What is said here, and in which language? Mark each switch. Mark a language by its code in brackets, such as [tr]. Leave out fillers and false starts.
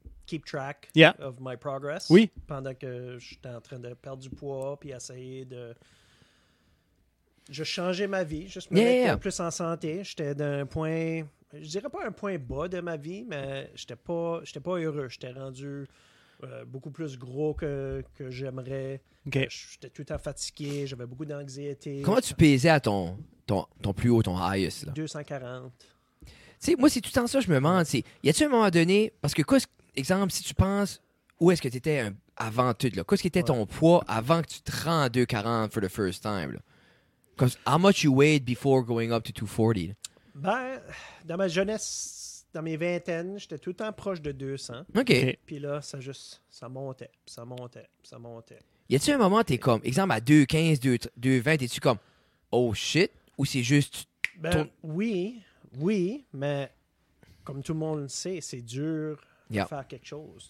[en] keep track of my progress. [fr] Oui. Pendant que j'étais en train de perdre du poids puis essayer de... Je changeais ma vie, juste me mettre plus en santé. J'étais d'un point... Je dirais pas un point bas de ma vie, mais j'étais pas heureux. J'étais rendu beaucoup plus gros que j'aimerais. Okay. J'étais tout le temps fatigué, j'avais beaucoup d'anxiété. Comment tu pesais à ton plus haut, ton highest? Là? 240. Tu sais, moi, c'est tout le temps ça, je me demande. T'sais, y a-t-il un moment donné... Parce que, exemple, si tu penses où est-ce que tu étais avant tout, là? Qu'est-ce qui était ton poids avant que tu te rends à 240 [en] for the first time? [fr] Là? [en] Because how much you weighed before going up to 240? [fr] Là? Ben, dans ma jeunesse, dans mes vingtaines, j'étais tout le temps proche de 200. OK. Et puis là, ça juste, ça montait, ça montait, ça montait. Y a-t-il un moment où t'es comme, exemple, à 215, 220, t'es-tu comme, oh shit, ou c'est juste... Ben, oui, mais comme tout le monde le sait, c'est dur de faire quelque chose.